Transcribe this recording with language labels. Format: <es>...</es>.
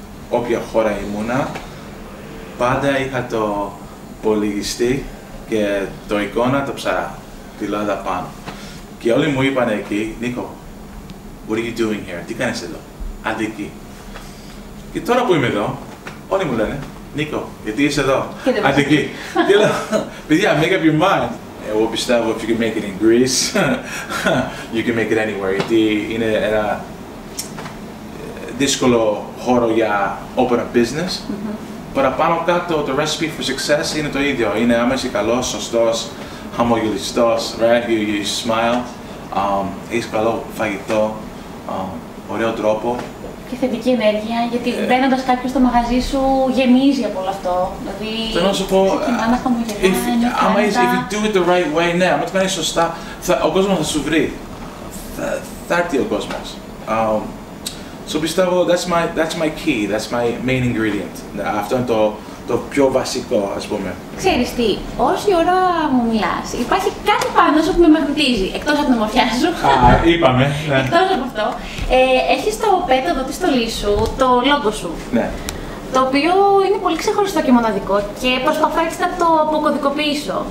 <el>Όποια χώρα ήμουνα, πάντα είχα το υπολογιστή και το εικόνα, το ψαρά, τη Ελλάδα πάνω. Και όλοι μου είπαν εκεί, Νίκο,</el> <en>what are you doing here,</en> <el>τι κάνεις εδώ, αντίκη. Και τώρα που είμαι εδώ, όλοι μου λένε, Νίκο, γιατί είσαι εδώ, Αττική. Και λέω, παιδιά,</el> <en>make up your mind.</en> <el>Εγώ πιστεύω,</el> <en>if you can make it in Greece, you can make it anywhere.</en> <el>Γιατί είναι ένα δύσκολο χώρο για</el> <en>open up business.</en> <el>Παραπάνω κάτω, το</el> <en>recipe for success</en> <el>είναι το ίδιο. Είναι άμεση καλός, σωστός, χαμογελιστός,</el> <en>right? You smile.</en> <el>Έχεις καλό φαγητό, ωραίο τρόπο. Και θετική ενέργεια, γιατί μπαίνοντας κάποιος στο μαγαζί σου γεμίζει από όλο αυτό. Δηλαδή, θέλω να σου πω,</el> <en>if you do it the right way,</en> <el>ναι, άμα το κάνεις σωστά, ο κόσμος θα σου βρει. Θα έρθει ο κόσμος.</el> <en>So</en> <el>πιστεύω,</el> <en>that's my key, that's my main ingredient.</en> <el>Αυτό είναι το πιο βασικό, ας πούμε. Ξέρεις τι, όση ώρα μου μιλάς, υπάρχει κάτι πάνω σου που με μαγνητίζει, εκτός από την ομορφιά σου. Είπαμε, ναι. Εκτός από αυτό, έχεις το πέταλο της στολής σου, το λόγο σου. Ναι. Το οποίο είναι πολύ ξεχωριστό και μοναδικό και προσπαθώ έτσι να το αποκωδικοποιήσω.</el>